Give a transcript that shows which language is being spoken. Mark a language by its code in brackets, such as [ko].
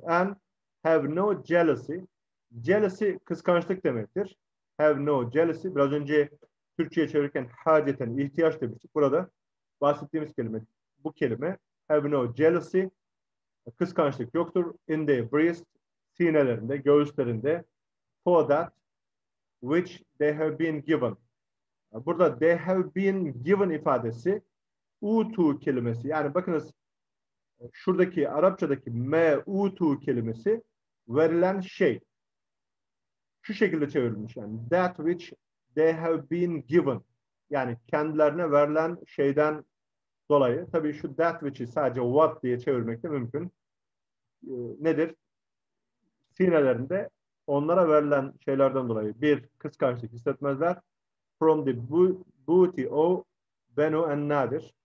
[en] And have no jealousy, [tr] jealousy kıskançlık demektir. [en] Have no jealousy, [tr] biraz önce Türkçe'ye çevirirken haceten, ihtiyaç demiştik. Burada bahsettiğimiz kelime, bu kelime. [en] Have no jealousy, [tr] kıskançlık yoktur. [en] In the breast, [tr] sinelerinde, göğüslerinde. [en] For that which they have been given. [tr] Burada [en] they have been given [tr] ifadesi, utu kelimesi. Yani bakınız, şuradaki Arapçadaki me utu kelimesi, verilen şey. Şu şekilde çevrilmiş yani. [en] That which they have been given. [tr] Yani kendilerine verilen şeyden dolayı. Tabii şu [en] that which'i [tr] sadece what diye çevirmek de mümkün. Nedir? Sinelerinde onlara verilen şeylerden dolayı bir kıskançlık hissetmezler. [en] From the booty of Benu en Nadir.